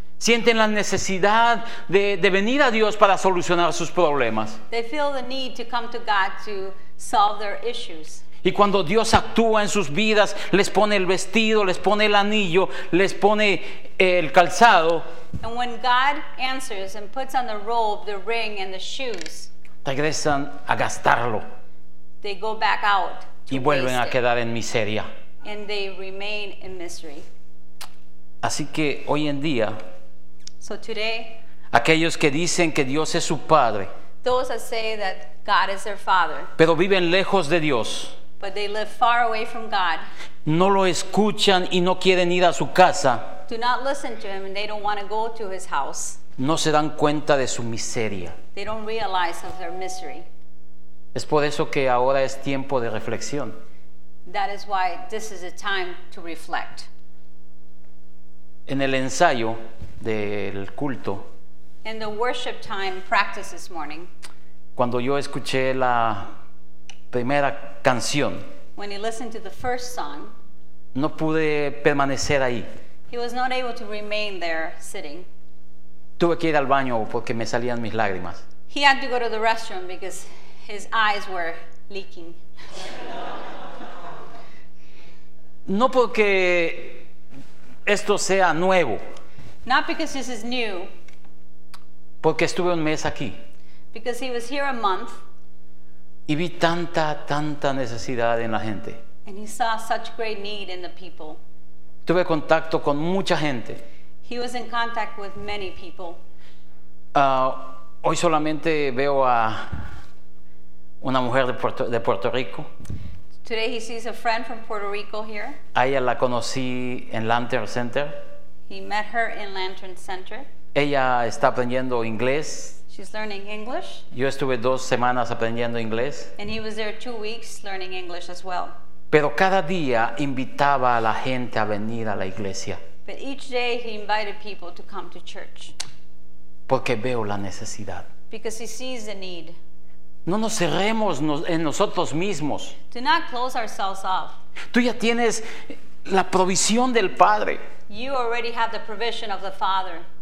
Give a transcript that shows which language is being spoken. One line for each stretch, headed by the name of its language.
Spanish: Sienten la necesidad de venir a Dios para solucionar sus problemas.
English: They feel the need to come to God to solve their issues.
Spanish: Y cuando Dios actúa en sus vidas, les pone el vestido, les pone el anillo, les pone el calzado.
English: And when God answers and puts on the robe, the ring, and the shoes,
Spanish: regresan a gastarlo.
English: They go back out
Spanish: y vuelven a quedar en miseria.
English: And they remain in misery.
Spanish: Así que hoy en día,
English: so today,
Spanish: aquellos que dicen que Dios es su padre,
English: those that say that God is their father,
Spanish: pero viven lejos de Dios,
English: but they live far away from God,
Spanish: no lo escuchan y no quieren ir a su casa,
English: do not listen to him and they don't want to go to his house,
Spanish: no se dan cuenta de su miseria.
English: They don't realize of their misery.
Spanish: Es por eso que ahora es tiempo de reflexión.
English: That is why this is a time to reflect.
Spanish: En el ensayo del culto,
English: in the worship time practice this morning,
Spanish: cuando yo escuché la primera canción,
English: when he listened to the first song,
Spanish: no pude permanecer ahí.
English: He was not able to remain there sitting.
Spanish: Tuve que ir al baño porque me salían mis lágrimas.
English: He had to go to the restroom because his eyes were leaking.
Spanish: No porque esto sea nuevo.
English: Not because this is new.
Spanish: Porque estuve un mes aquí.
English: Because he was here a month.
Spanish: Y vi tanta, tanta necesidad en la gente.
English: And he saw such great need in the people.
Spanish: Tuve contacto con mucha gente.
English: He was in contact with many people.
Spanish: Hoy solamente veo a una mujer de Puerto Rico.
English: Today he sees a friend from Puerto Rico here.
Spanish: A ella la conocí en Lantern Center.
English: He met her in Lantern Center.
Spanish: Ella está aprendiendo inglés.
English: She's learning English.
Spanish: Yo estuve 2 semanas aprendiendo inglés.
English: And he was there 2 weeks learning English as well.
Spanish: Pero cada día invitaba a la gente a venir a la iglesia.
English: But each day he invited people to come to church.
Spanish: Porque veo la necesidad.
English: Because he sees the need.
Spanish: No nos cerremos en nosotros mismos.
English: Do not close ourselves off.
Spanish: Tú ya tienes la provisión del Padre.
English: You already have the provision of the Father.